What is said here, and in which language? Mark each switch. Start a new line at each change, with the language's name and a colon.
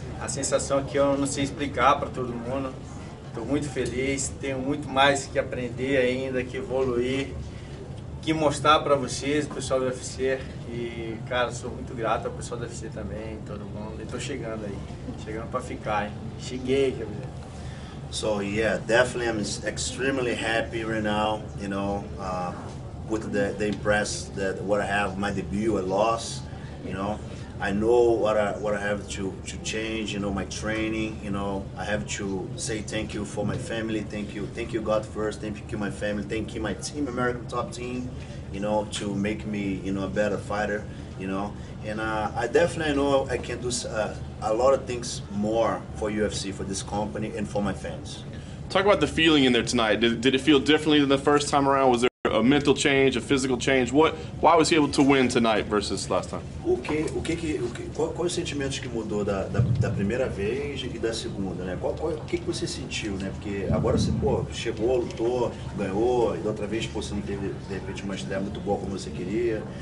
Portuguese: A sensação aqui eu não sei explicar para todo mundo. Estou muito feliz, tenho muito mais que aprender ainda, que evoluir, que mostrar para vocês, o pessoal do UFC. E, cara, sou muito grato ao pessoal do UFC também, todo mundo. E estou chegando aí, chegando para ficar, hein? Cheguei, quer dizer.
English: So yeah, definitely I'm extremely happy right now, you know, with the impress that what I have, my debut, I lost, you know. I know what I have to change, you know, my training, you know. I have to say thank you for my family, thank you God first, thank you my family, thank you my team, American Top Team, you know, to make me, you know, a better fighter, you know. And I definitely know I can do a lot of things more for UFC, for this company, and for my fans. Talk about the feeling in there tonight. Did it feel differently than the first time around? Was there a mental change, a physical change? Why was he able to win tonight versus last time?
Portuguese: Quais os sentimentos que mudou da primeira vez e da segunda, né? O que você sentiu, né? Porque agora você, pô, chegou, lutou, ganhou, e da outra vez, pô, você não teve, de repente, uma estreia muito boa como você queria.